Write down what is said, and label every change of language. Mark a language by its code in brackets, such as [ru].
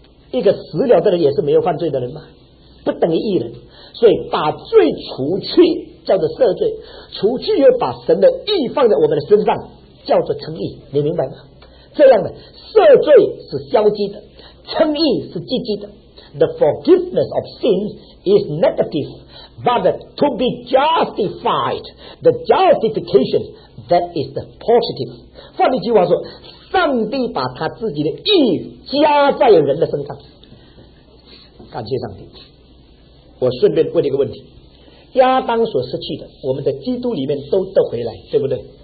[zh] 一个死了的人也是没有犯罪的人吗？不等于义人。所以把罪除去叫做赦罪，除去又把神的义放在我们的身上叫做称义，你明白吗？这样的赦罪是消极的，称义是积极的。 [en] The forgiveness of sin is negative, but to be justified, the justification, that is the positive. [zh] 换一句话说，上帝把他自己的义加在人的身上，感谢上帝。我顺便问一个问题，亚当所失去的我们在基督里面都得回来，对不对？